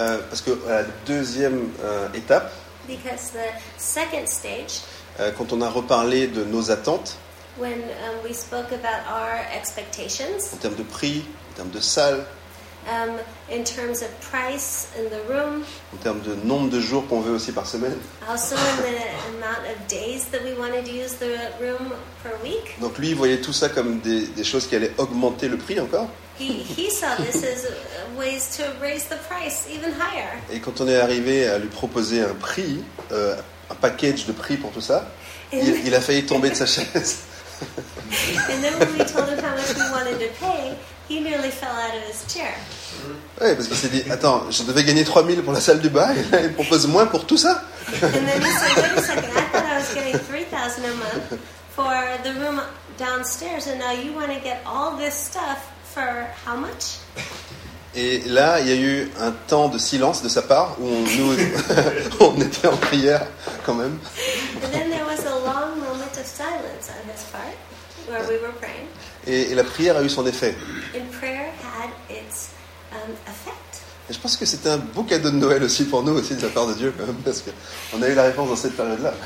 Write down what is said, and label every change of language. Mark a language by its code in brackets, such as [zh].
[fr] Parce que la deuxième étape. [en] Because the second stage. [fr] Quand on a reparlé de nos attentes. [en] When we spoke about our expectations. [fr] En termes de prix, en termes de salle. [en] In terms of price in the room. [fr] En termes de nombre de jours qu'on veut aussi par semaine. [en] Also in the amount of days that we wanted to use the room per week. [fr] Donc lui, il voyait tout ça comme des choses qui allaient augmenter le prix encore. [en] He saw this as ways to raise the price even higher. [fr] Et quand on est arrivé à lui proposer un prix, un package de prix pour tout ça, il a failli tomber de sa chaise. [en] And then when we told him how much we wanted to pay, he nearly fell out of his chair. [fr] Oui, parce qu'il s'est dit, attends, je devais gagner 3000 pour la salle du bas, et là, il propose moins pour tout ça. [en] And then he said, wait a second, I thought I was getting 3000 a month for the room downstairs, and now you want to get all this stuff for how much? [fr] Et là, il y a eu un temps de silence de sa part, où on était en prière, quand même. [en] And then there was a long moment of silence on his part. where we were praying. [fr] Et la prière a eu son effet. [en] And prayer had its effect. [fr] Et je pense que c'était un beau cadeau de Noël aussi pour nous aussi de la part de Dieu quand même, parce que on a eu la réponse dans cette période-là.